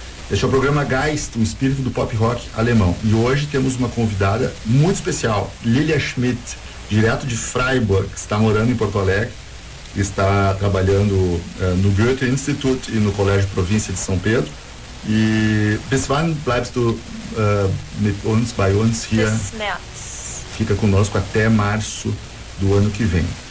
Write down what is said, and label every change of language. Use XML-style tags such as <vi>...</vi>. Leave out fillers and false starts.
<pt>Este é o programa Geist, um espírito do pop rock alemão. E hoje temos uma convidada muito especial, Lilia Schmidt, direto de Freiburg, que está morando em Porto Alegre, está trabalhando no Goethe-Institut e no Colégio Província de São Pedro.</pt> <de>E bis wann bleibst du mit uns, bei uns hier? Bis März.</de> <pt>Fica conosco até março do ano que vem.</pt>